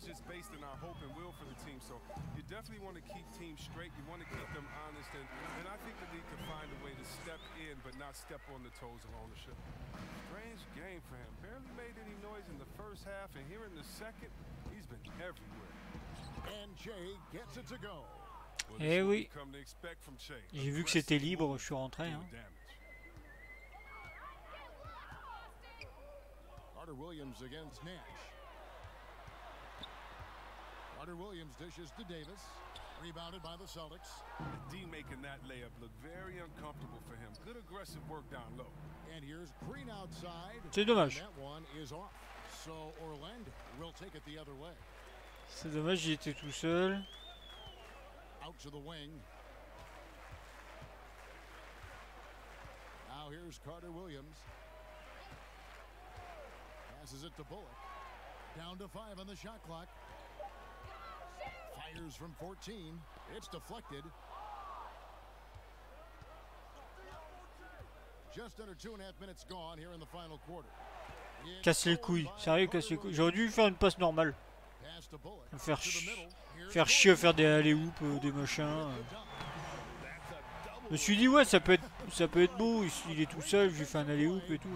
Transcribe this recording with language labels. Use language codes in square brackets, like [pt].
[en] It's just based in our hope and will for the team. So you definitely want to keep teams straight. You want to keep them honest. And I think they need to find a way to step in, but not step on the toes of ownership. Strange game for him. Barely made any noise in the first half. And here in the second, he's been everywhere. And Jay gets it to go. [fr] Eh oui, j'ai vu que c'était libre, je suis rentré. [en] Carter Williams against Nash. Carter Williams dishes to Davis, rebounded by the Celtics. D making that layup look very uncomfortable for him. Good aggressive work down low. And here's Green outside. [fr] C'est dommage. [en] That one is off. So Orlando will take it the other way. [fr] C'est dommage, j'y étais tout seul. [en] Out to the wing. Now here's Carter Williams. Passes it to Bullock. Down to five on the shot clock. Fires from 14. It's deflected. Just under 2.5 minutes gone here in the final quarter. [fr] Casse les couilles. Sérieux, casse les couilles. J'aurais dû faire une passe normale. Faire chier, faire des alley-oop, des machins. Je me suis dit, ouais, ça peut être beau. Il est tout seul, j'ai fait un alley-oop et tout.